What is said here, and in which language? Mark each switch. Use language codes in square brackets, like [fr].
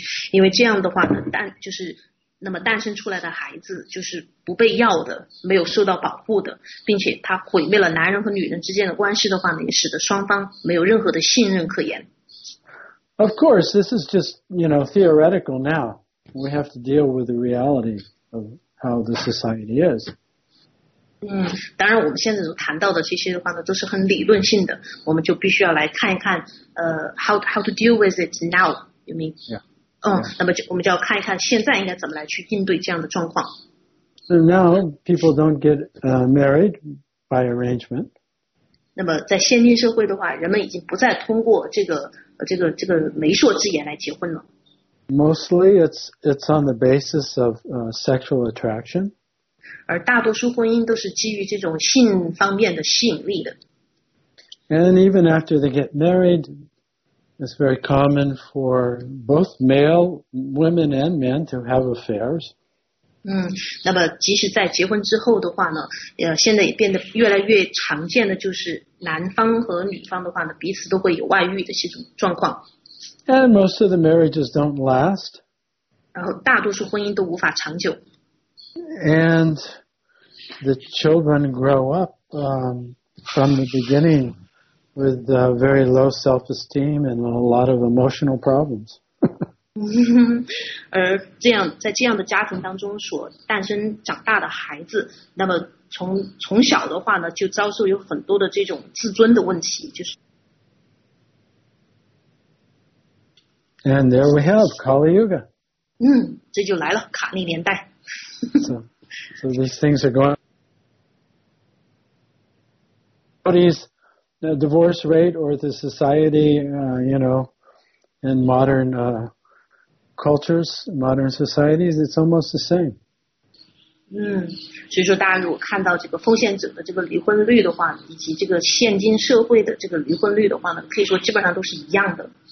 [zh] 因为这样的话呢，那么诞生出来的孩子就是不被要的，没有受到保护的，并且他毁灭了男人和女人之间的关系的话呢，也使得双方没有任何的信任可言。 [en] Of course, this is just, theoretical now. We have to deal with the reality of how the society is. [zh] 当然我们现在所谈到的这些的话呢都是很理论性的，我们就必须要来看一看 [en] how to deal with it now, you mean? Yeah. [zh] 那么就我们就要看一看现在应该怎么来去应对这样的状况。 [en] So now, people don't get married by arrangement. [zh] 那么在现今社会的话，人们已经不再通过这个媒妁之言来结婚了。 [en] Mostly it's on the basis of sexual attraction. [zh] 而大多数婚姻都是基于这种性方面的吸引力的。 [en] And even after they get married, it's very common for both male women and men to have affairs. [zh] 那么即使在结婚之后的话呢，现在也变得越来越常见的就是男方和女方的话呢，彼此都会有外遇的这种状况。 [en] And most of the marriages don't last. [zh] 然后大多数婚姻都无法长久。 [en] And the children grow up, from the beginning with very low self-esteem and a lot of emotional problems. [zh] 而这样在这样的家庭当中所诞生长大的孩子，那么从小的话呢就遭受有很多的这种自尊的问题，就是。 [en] And there we have Kali Yuga. [zh] 这就来了卡利年代。 [en] so these things are going. What is the divorce rate or the society, you know, in modern, cultures, modern societies, it's almost the same. [zh] 所以说大家如果看到这个奉献者的这个离婚率的话，以及这个现今社会的这个离婚率的话呢，可以说基本上都是一样的。